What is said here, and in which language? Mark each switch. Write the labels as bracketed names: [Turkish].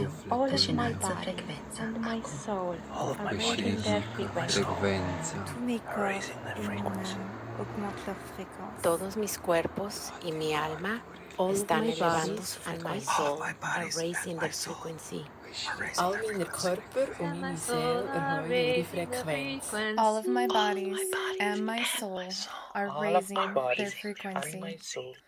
[English] All of my bodies and my soul are raising their frequencies. [Spanish] Todos mis cuerpos y mi alma están elevando su frecuencia. [English] All my bodies are raising their frequency. All of my bodies and my soul are raising their frequency. All of my bodies and soul are raising their frequency.